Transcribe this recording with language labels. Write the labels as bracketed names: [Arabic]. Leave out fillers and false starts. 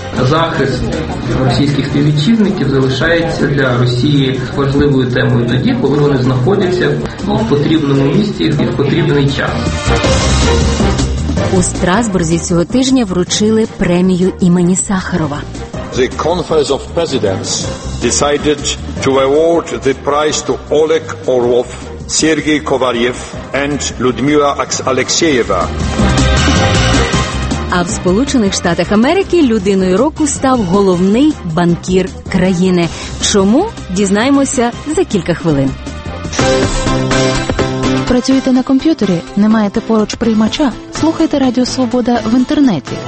[Ukrainian] Захист російських співвітчизників залишається для Росії важливою темою тоді, коли вони знаходяться в потрібному місці і в потрібний час. У Страсбурзі цього тижня вручили премію імені Сахарова. [English] The Conference of Presidents decided to award the prize to Oleg Orlov, Сергій Коварєв and Людмила Алексєєва. [Ukrainian] А в Сполучених Штатах Америки людиною року став головний банкір країни. Чому? Дізнаємося за кілька хвилин. Працюєте на комп'ютері? Не маєте поруч приймача? Слухайте Радіо Свобода в інтернеті.